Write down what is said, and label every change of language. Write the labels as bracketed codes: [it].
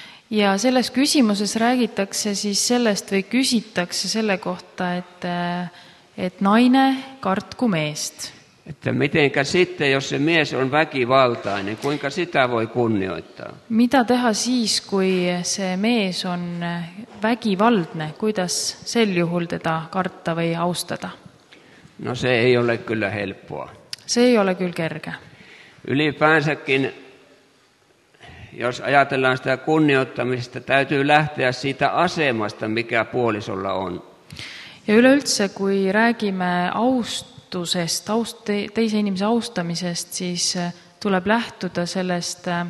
[et] Ja selles küsimuses räägitakse siis sellest või küsitakse selle kohta, et naine kartkumeest. [fi] Että mitenkä sitten, jos se mies on väkivaltainen, kuinka sitä voi kunnioittaa? [et] Mitä teha siis, kui see mees on väkivaldne? Kuidas sel juhul teda karta või austada? [fi] No se ei ole kyllä helppoa. [et] Se ei ole kyllä kerge. [fi] Ylipäänsäkin, jos ajatellaan sitä kunnioittamista, täytyy lähteä siitä asemasta, mikä puolisolla on. [et] Ja üleüldse, kui räägime teise inimese austamisest, siis tuleb lähtuda sellest